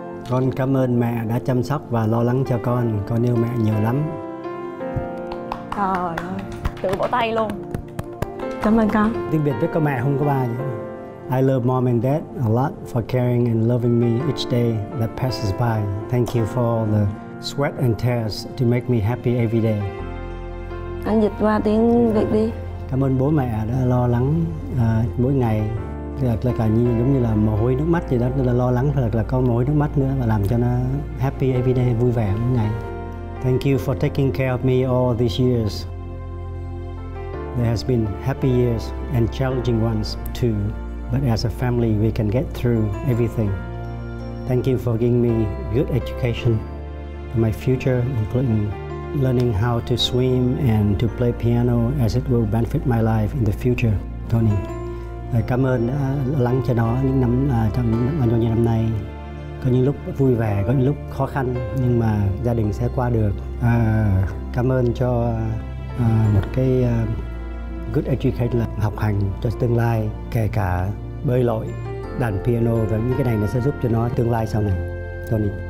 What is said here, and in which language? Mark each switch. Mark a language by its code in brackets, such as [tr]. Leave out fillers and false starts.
[vi] Con cảm ơn mẹ đã chăm sóc và lo lắng cho con. Con yêu mẹ nhiều lắm. Trời ơi, tự vỗ tay luôn. Cảm ơn con. Tiếng Việt với có mẹ không có ba vậy. [en] I love mom and dad a lot for caring and loving me each day that passes by. Thank you for all the sweat and tears to make me happy every day. [vi] Anh dịch qua tiếng Việt đi. Cảm ơn bố mẹ đã lo lắng mỗi ngày. Thật là cả như giống như là mồ hôi nước mắt gì đó, là lo lắng thật là có mồ hôi nước mắt nữa và làm cho nó [en] happy everyday, [vi] vui vẻ mỗi ngày. [en] Thank you for taking care of me all these years. There has been happy years and challenging ones too, but as a family we can get through everything. Thank you for giving me good education for my future, including learning how to swim and to play piano, as it will benefit my life in the future, Tony. [vi] Cảm ơn đã lắng cho nó những năm trong bao nhiêu năm nay. Có những lúc vui vẻ, có những lúc khó khăn, nhưng mà gia đình sẽ qua được. Cảm ơn cho một cái [en] good education [vi] là học hành cho tương lai, kể cả bơi lội, đàn piano và những cái này nó sẽ giúp cho nó tương lai sau này, Tony.